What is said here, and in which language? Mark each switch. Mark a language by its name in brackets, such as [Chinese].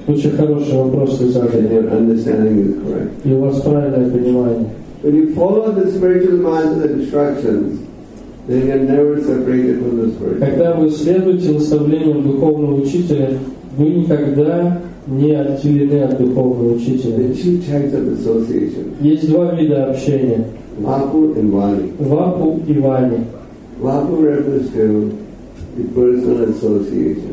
[Russian] Очень хороший вопрос вы задали. [English] Your understanding is correct. [Russian] И у вас правильное понимание. [English] When you follow the spiritual mind's instructions, then you're never separated from the spirit. [Russian] Когда вы следуете наставлениям духовного учителя, вы никогда не отделены от духовного учителя. [English] There are two types of association. [Russian] Есть два вида общения. [English] Vapu and Vani. [Russian] Vapu и Vani. [English] Vapu refers to the personal association.